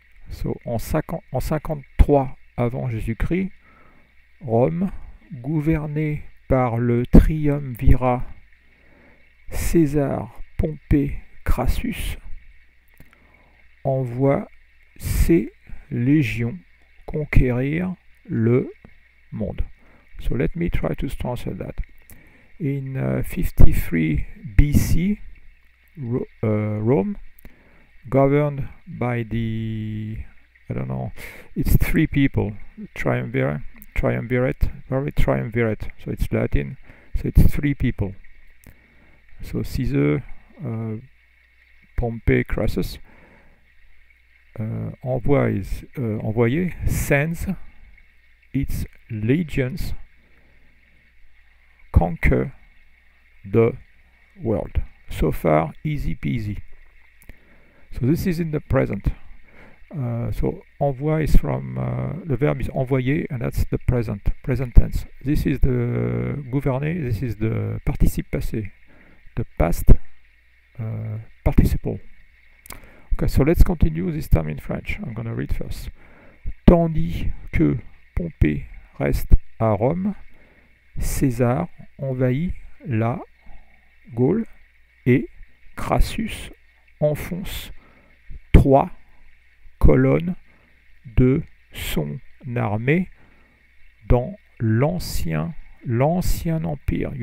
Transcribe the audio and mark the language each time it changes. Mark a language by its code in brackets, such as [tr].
[fr] So en 53 avant Jésus-Christ, Rome, gouvernée par le triumvirat César, Pompée, Crassus, envoie ses légions conquérir le monde. [en] So let me try to translate that. In 53 BC, Ro Rome, governed by the, I don't know, it's three people, triumvirate, probably triumvirate, so it's Latin, so it's three people. So Caesar, Pompey, Crassus, envoyé, sends its legions. conquer the world. So far, easy peasy. So this is in the present. So envoi is from, the verb is envoyer, and that's the present, present tense. This is the gouverner, this is the participe passé, the past participle. Okay, so let's continue this time in French. I'm going to read first. [fr] Tandis que Pompée reste à Rome, César envahit la Gaule et Crassus enfonce trois colonnes de son armée dans l'ancien empire.